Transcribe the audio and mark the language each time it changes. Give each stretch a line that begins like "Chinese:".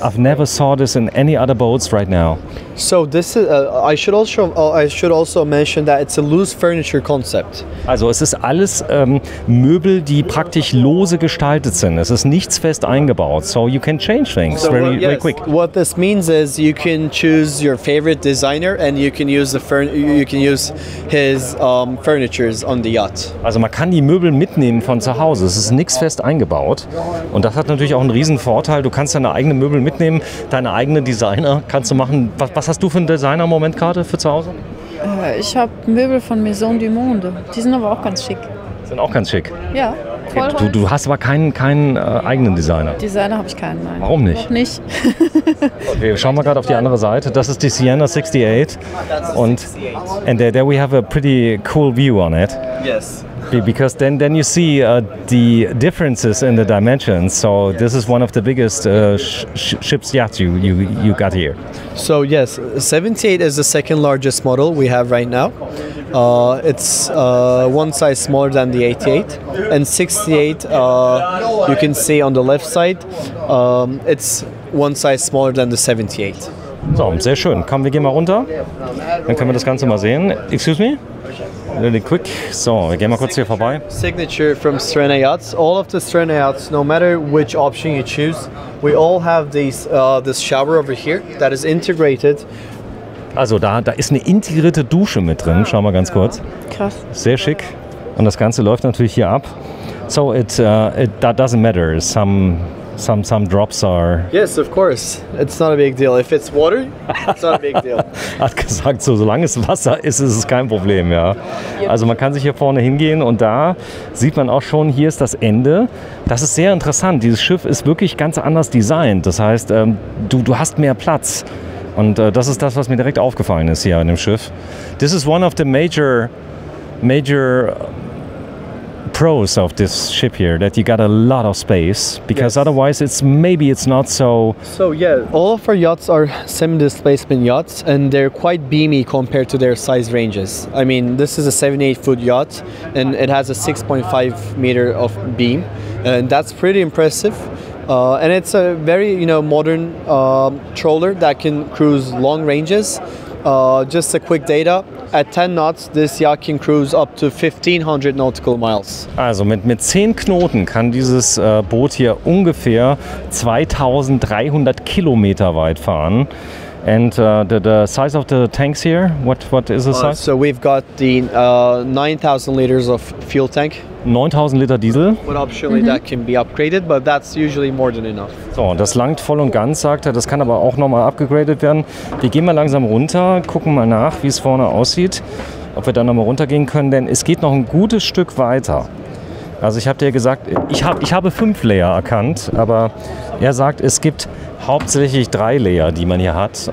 English: I've never saw this in any other boats right now. So this is. I should also mention that it's a loose furniture concept.
German: Also, es ist alles Möbel, die praktisch lose gestaltet sind. Es ist nichts fest eingebaut.
English: So you can change things very quick. What this means is you can choose your favorite designer and you can use his furnitures on the yacht.
German: Also man kann die Möbel mitnehmen von zu Hause. Es ist nichts fest eingebaut. Und das hat natürlich auch einen riesen Vorteil. Du kannst deine eigenen Möbel mitnehmen, deine eigenen Designer kannst du machen. Was hast du für einen Designer im Moment gerade für zu Hause? Ich habe Möbel von Maison du Monde. Die sind aber auch ganz schick. Sind auch ganz schick? Ja. Okay, du hast aber keinen eigenen Designer. Designer habe ich keinen, nein. Warum nicht? Noch nicht. Okay, wir schauen mal gerade auf die andere Seite. Das ist die Sirena 68.
English: Und there we have a pretty cool view on it. Yes. Because then you see the differences in the dimensions. So yes, this is one of the biggest ships yachts you got here. So yes, 78 is the second largest model we have right now. It's one size smaller than the 88. And 68, you can see on the left side, it's one size smaller than the 78.
German: So, sehr schön. Komm, wir gehen mal runter. Dann können wir das Ganze mal sehen.
English: Excuse me? Really quick.
German: So, wir gehen mal kurz hier vorbei.
English: Signature from Sirena Yachts. All of the Sirena Yachts, no matter which option you choose, we all have this shower over here that is integrated.
German: Also da ist eine integrierte Dusche mit drin. Schau mal ganz kurz. Krass. Sehr schick. Und das Ganze läuft natürlich hier ab.
English: So, it that doesn't matter. Some some drops are. Yes, of course. It's not a big deal. If it's water, it's not a big deal.
German: Hat gesagt, so solange es Wasser ist, ist es kein Problem, ja. Also man kann sich hier vorne hingehen und da sieht man auch schon, hier ist das Ende. Das ist sehr interessant. Dieses Schiff ist wirklich ganz anders designt. Das heißt, du hast mehr Platz. Und das ist das, was mir direkt aufgefallen ist hier an dem Schiff.
English: This is one of the major pros of this ship here, that you got a lot of space, because yes. Otherwise it's not so... So yeah, all of our yachts are semi-displacement yachts, and they're quite beamy compared to their size ranges. I mean, this is a 78-foot yacht, and it has a 6.5 meter of beam, and that's pretty impressive. And it's a very, you know, modern troller that can cruise long ranges. Just a quick data, at 10 knots, this yacht can cruise up to 1500 nautical miles.
German: Also mit 10 Knoten kann dieses Boot hier ungefähr 2300 Kilometer weit fahren.
English: And the size of the tanks here, what is the size? So we've got the 9000 liters of fuel tank.
German: 9000 Liter Diesel.
English: But optionally that can be upgraded, but that's usually more than enough.
German: So, das langt voll und ganz, sagt er. Das kann aber auch nochmal upgegradet werden. Wir gehen mal langsam runter, gucken mal nach, wie es vorne aussieht. Ob wir dann nochmal runtergehen können, denn es geht noch ein gutes Stück weiter. Also ich habe dir gesagt, ich habe 5 Layer erkannt, aber er sagt, es gibt hauptsächlich 3 Layer, die man hier hat.